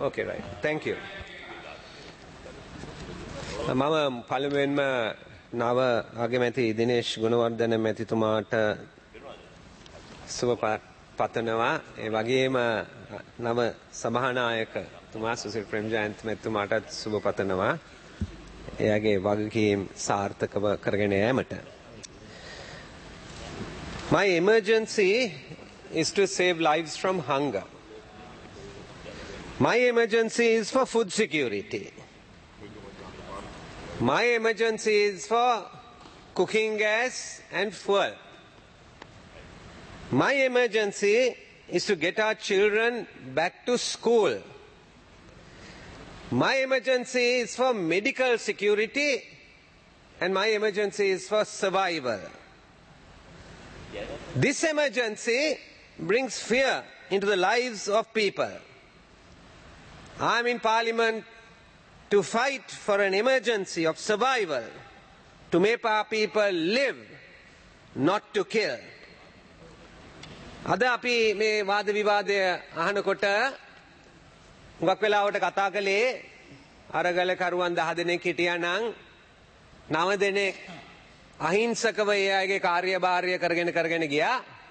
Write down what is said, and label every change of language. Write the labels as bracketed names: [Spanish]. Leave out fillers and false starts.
[English] okay right thank you [Sinhala] මම පාර්ලිමේන්තුවේම නව අගමැති දිනේෂ් ගුණවර්ධන මැතිතුමාට සුබ පතනවා ඒ වගේම නව සභානායක තුමා සුසිල් ප්‍රේමජයන්ත මැතිතුමාටත් සුබ පතනවා එයාගේ වගකීම් සාර්ථකව කරගෙන යෑමට [English] My emergency is to save lives from hunger. My emergency is for food security. My emergency is for cooking gas and fuel. My emergency is to get our children back to school. My emergency is for medical security and my emergency is for survival. This emergency brings fear into the lives of people. I am in parliament to fight for an emergency of survival, to make our people live, not to kill. [Sinhala] අද අපි මේ වාද විවාදය අහනකොට හුඟක් වෙලාවට කතා කළේ අරගල කරුවන් 10 දෙනෙක් හිටියා නම් 9 දෙනෙක් අහිංසකව එයාගේ කාර්යභාරය කරගෙන ගියා.